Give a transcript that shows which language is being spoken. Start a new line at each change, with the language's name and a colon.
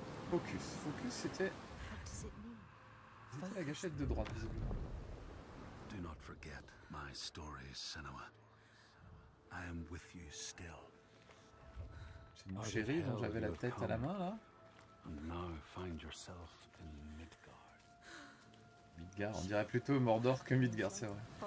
French: Focus, c'était la gâchette de droite, visiblement.
English: Do not forget my story, Senua. I am with you still.
French: J'ai une chérie dont j'avais la tête à la main là.
English: And now find yourself in Midgard.
French: Midgard, on dirait plutôt Mordor que Midgard, c'est vrai.